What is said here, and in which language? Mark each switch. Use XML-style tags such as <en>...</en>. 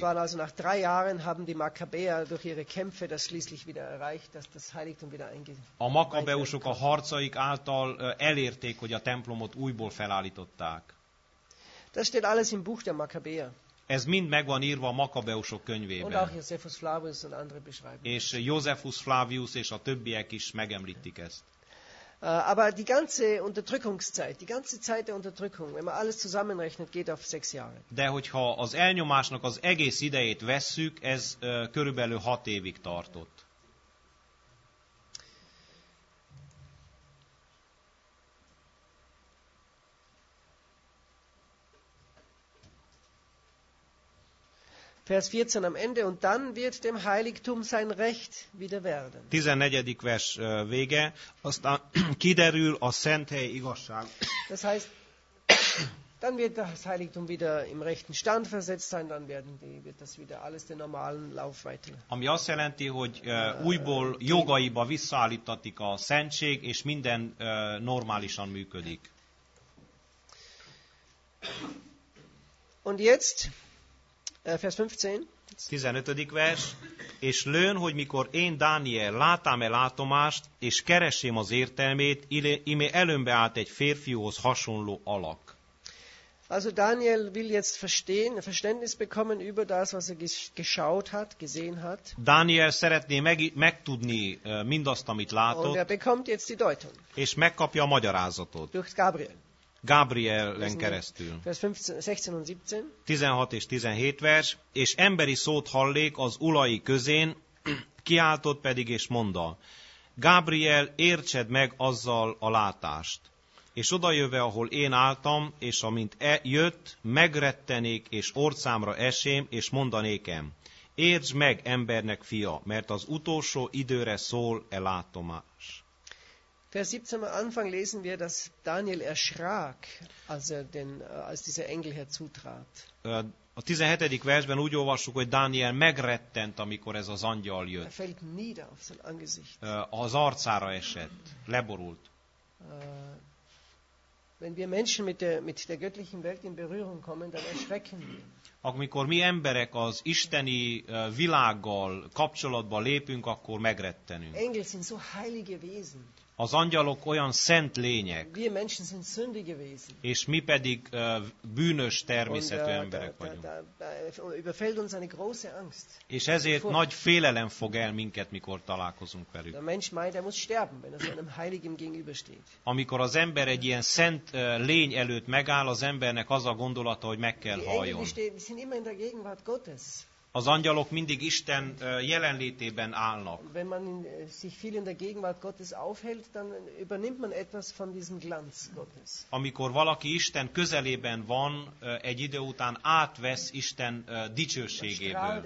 <de>Das waren also nach 3 Jahren haben die Makkabäer durch ihre Kämpfe das schließlich wieder erreicht, dass das Heiligtum wieder eingeweiht.</de> <hu>A Makkabeusok a harcaik által elérték, hogy a templomot újból felállították.</hu> <de>Das steht alles im Buch der Makkabäer.</de> <hu>Ez mind megvan írva a Makkabeusok könyvében.</hu> <de>Und auch Josephus Flavius und andere beschreiben.</de> <hu>És Josephus Flavius és a többiek is megemlítik ezt.</hu> <de>Aber die ganze Unterdrückungszeit, die ganze Zeit der Unterdrückung, wenn man alles zusammenrechnet, geht auf 6 Jahre.</de> <hu>De hogyha az elnyomásnak az egész idejét vesszük, ez körülbelül 6 évig tartott.</hu> <de>Vers 14 am Ende und dann wird dem Heiligtum sein Recht wieder werden.</de> <hu>14. Vers vége, aztán kiderül a szent hely igazság.</hu> <de>Das heißt, dann wird das Heiligtum wieder im rechten Stand versetzt sein, dann wird das wieder alles den normalen Lauf weiter.</de> <hu>Ami azt jelenti, hogy újból jogaiba visszaállítatik a szentség, és minden normálisan működik.</hu> <de>Und jetzt... Vers 15.</de> <hu>15. vers. És lőn, hogy mikor én, Dániel, látám-e látomást, és keresém az értelmét, ime előmbe állt egy férfihoz hasonló alak.</hu> <de>Also Daniel will jetzt verstehen, Verständnis bekommen über das, was er geschaut hat, gesehen hat.</de> <hu>Daniel szeretné megtudni mindazt, amit látott.</hu> <de>Und er bekommt jetzt die Deutung.</de> <hu>És megkapja a magyarázatot.</hu> <de>Durch Gabriel.</de> <hu>Gabrielen keresztül.</hu> <de>Vers 16 und 17.</de> <hu>16 és 17 vers, és emberi szót hallék az ulai közén, kiáltott pedig és mondta, Gabriel, értsed meg azzal a látást. És odajöve, ahol én álltam, és amint jött, megrettenék, és orcámra esém, és mondanékem, értsd meg embernek fia, mert az utolsó időre szól e látomás.</hu> <de>Vers 17 am Anfang lesen wir, dass Daniel erschrak, als dieser Engel herzutrat.</de> <hu>A 17. versben úgy olvassuk, hogy Daniel megrettent, amikor ez az angyal jött.</hu> <de>Er fällt nieder auf sein Angesicht.</de> <hu>Az arcára esett, leborult.</hu> <de>Wenn wir Menschen mit der göttlichen Welt in Berührung kommen, dann erschrecken wir.</de> <hu>Amikor mi emberek az isteni világgal kapcsolatba lépünk, akkor megrettenünk.</hu> <de>Engel sind so heilige Wesen.</de> <hu>Az angyalok olyan szent lények.</hu> <de>Wir Menschen sind sündige Wesen.</de> <hu>És mi pedig bűnös természetű emberek vagyunk.</hu> <de>Überfällt uns eine große Angst.</de> <hu>És ezért nagy félelem fog el minket, mikor találkozunk velük.</hu> <de>Der Mensch meint, er muss sterben, wenn er so einem Heiligen gegenübersteht.</de> <hu>Amikor az ember egy ilyen szent lény előtt megáll, az embernek az a gondolata, hogy meg kell haljon.</hu> <de>Sind immer in der Gegenwart Gottes.</de> <hu>Az angyalok mindig Isten jelenlétében állnak.</hu> <de>Wenn man sich viel in der Gegenwart Gottes aufhält, dann übernimmt man etwas von diesem Glanz Gottes.</de> <hu>Amikor valaki Isten közelében van, egy idő után átvesz Isten dicsőségéből.</hu>